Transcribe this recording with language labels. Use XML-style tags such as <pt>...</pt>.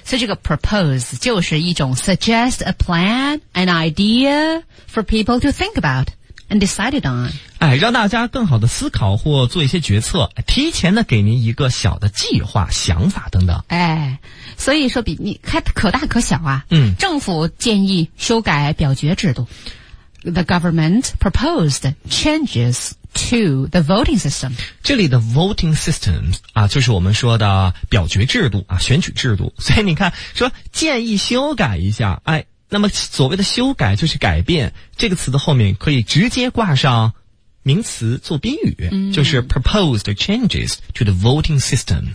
<zh>所以这个</zh> <en>propose 就是一种 suggest a plan, an idea for people to think about。And decided on.</en> <zh>哎，让大家更好的思考或做一些决策，提前的给您一个小的计划、想法等等。哎，所以说比你看可大可小啊。嗯。政府建议修改表决制度。</zh> <en>The government proposed changes to the voting system.</en> <zh>这里的 voting system 啊，就是我们说的表决制度啊，选举制度。所以你看，说建议修改一下，哎。那么所谓的修改就是改变，这个词的后面可以直接挂上名词做宾语，嗯，就是</zh> <en>proposed changes to the voting system。</en>